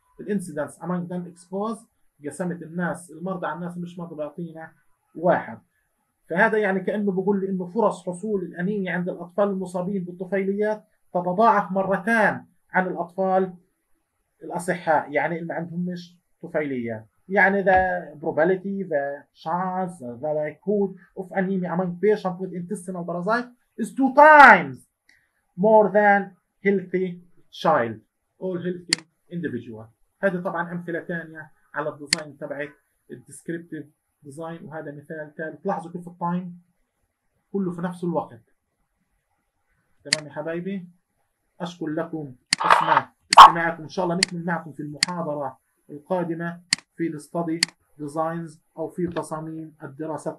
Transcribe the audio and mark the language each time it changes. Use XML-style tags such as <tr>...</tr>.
<ar>الانسيدنس امانج دم اكسبوزد قسمت الناس المرضى على الناس المش مرضى بيعطينا 1. فهذا يعني كأنه بقول لي أنه فرص حصول الأنيميا عند الأطفال المصابين بالطفيليات تتضاعف مرتان عن الأطفال الأصحاء يعني اللي ما عندهم مش طفيليات.</ar> <en>يعني the probability, the chance, the likelihood of anemia among patients with intestinal parasite is 2 times more than healthy child or healthy individual.</en> <ar>هذا طبعا أمثلة ثانية على الديزاين تبعت الديسكريبتيف ديزاين. وهذا مثال ثالث. لاحظوا كيف التايم كله في نفس الوقت. تمام يا حبايبي، اشكر لكم استماعكم. ان شاء الله نكمل معكم في المحاضره القادمه في الستدي ديزاينز او في تصاميم الدراسه.</ar>